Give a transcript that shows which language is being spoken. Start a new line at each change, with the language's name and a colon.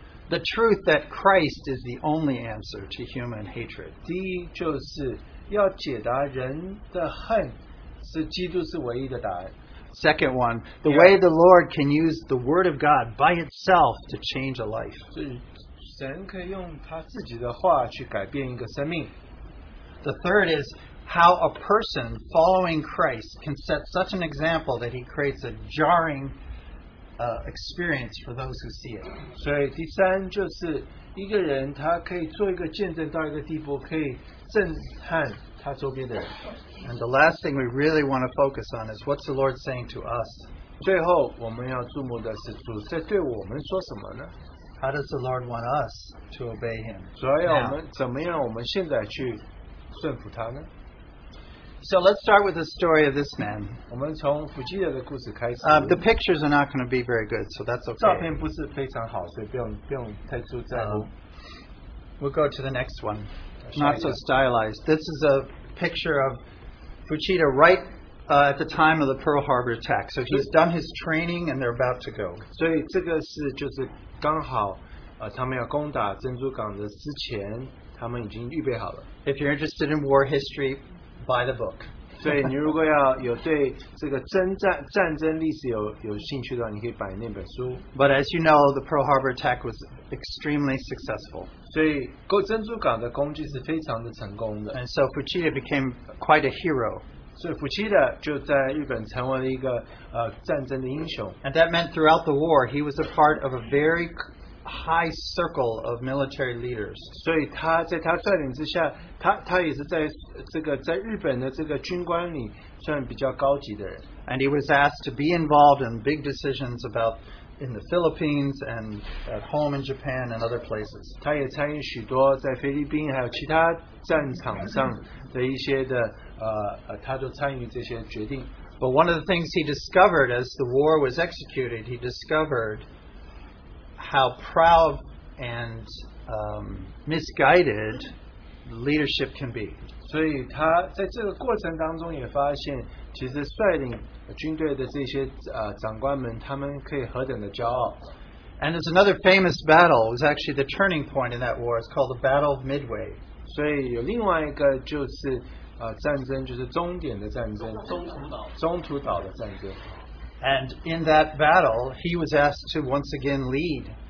English: The truth that Christ is the only answer to human hatred.
Chinese: 第一就是要解答人的恨，是基督是唯一的答案。
English: Second one, the way the Lord can use the Word of God by itself to change a life.
Chinese: 是神可以用他自己的话去改变一个生命。
English: The third is how a person following Christ can set such an example that he creates a jarring experience for those who see it.
Chinese: 所以第三就是一个人他可以做一个见证到一个地步，可以震撼他周边的人。
English: And the last thing we really want to focus on is what's the Lord saying to us?
Chinese: 最后我们要注目的是主在对我们说什么呢？
English: How does the Lord want us to obey Him?
Chinese: 所以我们怎么样我们现在去顺服他呢？
English: So let's start with the story of this man.
Chinese: 我们从弗吉亚的故事开始。
English: The pictures are not going to be very good, so that's okay.
Chinese: 照片不是非常好，所以不用太注在乎。
English: We'll go to the next one. Not so stylized. This is a picture of Fuchida right at the time of the Pearl Harbor attack. So he's done his training and they're about to go.
Chinese: 所以这个是就是刚好他们要攻打珍珠港的之前，他们已经预备好了。
English: If you're interested in war history, buy the book.
Chinese: 所以你如果要有对这个征战战争历史有兴趣的话，你可以买那本书。
English: But as you know, the Pearl Harbor attack was extremely successful.
Chinese: 所以珍珠港的攻击是非常的成功的。
English: And so Fuchida became quite a hero.
Chinese: 所以 Fuchida 就在日本成为了一个战争的英雄。
English: And that meant throughout the war, he was a part of a very high circle of military leaders.
Chinese: 所以他在他率领之下，他也是在日本的这个军官里算比较高级的人。
English: And he was asked to be involved in big decisions about in the Philippines and at home in Japan and other places.
Chinese: 他也参与许多在菲律宾还有其他战场上的一些的他都参与这些决定。
English: But one of the things he discovered as the war was executed, he discovered how proud and misguided leadership can be.
Chinese: 所以他在这个过程当中也发现，其实率领军队的这些长官们，他们可以何等的骄傲。
English: And there's another famous battle. It was actually the turning point in that war. It's called the Battle of Midway.
Chinese: 所以有另外一个就是战争，就是终点的战争，中途岛的战争。
English: And in that battle, he was asked to once again lead.